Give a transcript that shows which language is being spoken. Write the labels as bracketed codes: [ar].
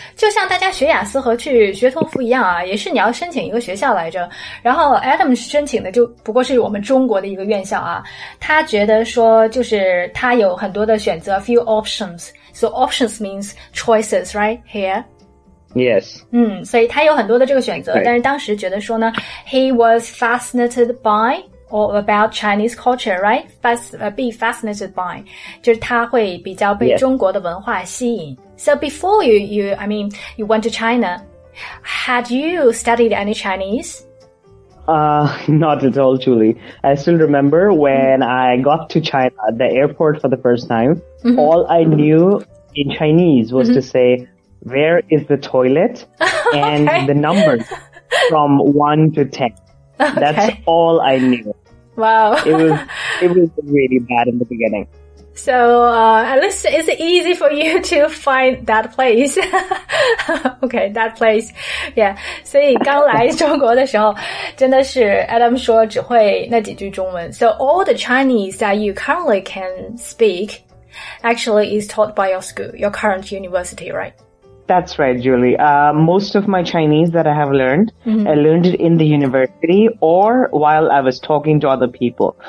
[zh] 就像大家学雅思和去学托福一样啊，也是你要申请一个学校来着。然后 Adam 申请的就不过是我们中国的一个院校啊。他觉得说就是他有很多的选择 , [en] few options. So options means choices, right? Here. Yes. [zh] 嗯，所以他有很多的这个选择。 [en] Right. [zh] 但是当时觉得说呢 [en] ,he was fascinated by,or about Chinese culture, right? Be fascinated by. [zh] 就是他会比较被中国的文化吸引。 [en] Yes. So before you went to China, had you studied any Chinese? Not at all, Julie. I still remember when I got to China, the airport for the first time, all I knew in Chinese was to say, where is the toilet? And okay. The numbers from 1 to 10. That's okay. All I knew. Wow. It was really bad in the beginning. So, at least it's easy for you to find that place. Okay, that place. Yeah. [zh] 所以刚来中国的时候真的是 Adam 说只会那几句中文。 [en] So all the Chinese that you currently can speak actually is taught by your school, your current university, right? That's right, Julie. Most of my Chinese that I have learned, I learned it in the university or while I was talking to other people.